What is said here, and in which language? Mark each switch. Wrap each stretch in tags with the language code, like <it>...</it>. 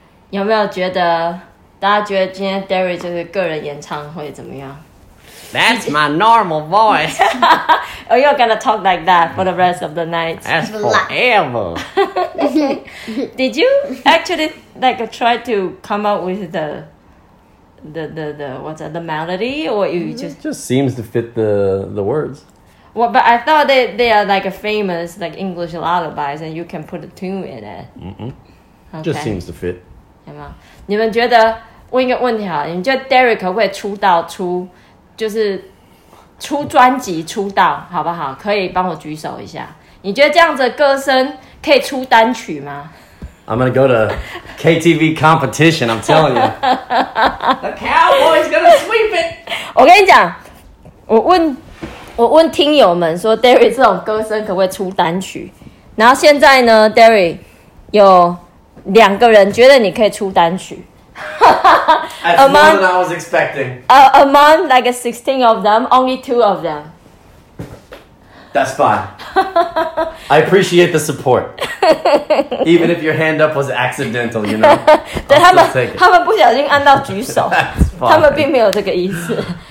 <zh>有没有觉得大家觉得今天 Derry 就是个人演唱会怎么样？</zh> <en>That's my normal voice. Oh, you're gonna talk like that for the rest of the night. That's forever. Did you actually like try to come up with the what's that, the melody, or you just... It just seems to fit the words. Well, but I thought that they are like a famous like English lullabies, and you can put a tune in it. Mm-hmm. Okay. Just seems to fit.</en> <zh>有没有？你们觉得问一个问题啊？你们觉得 Derek 可不可以出道出，就是出专辑出道好不好？可以帮我举手一下。你觉得这样子的歌声可以出单曲吗？</zh> <en>I'm gonna go to KTV competition. I'm telling you, the cowboy's gonna sweep it.</en> <zh>我跟你讲，我问听友们说 ，Derry 这种歌声可不可以出单曲？然后现在呢 ，Derry 有两个人觉得你可以出单曲。</zh> <en>That's more than I was expecting. Among like 16 of them, only 2 of them. That's fine. I appreciate the support. Even if your hand up was accidental, you know.</en> <zh>对他们，他们不小心按到举手，他们并没有这个意思。</zh>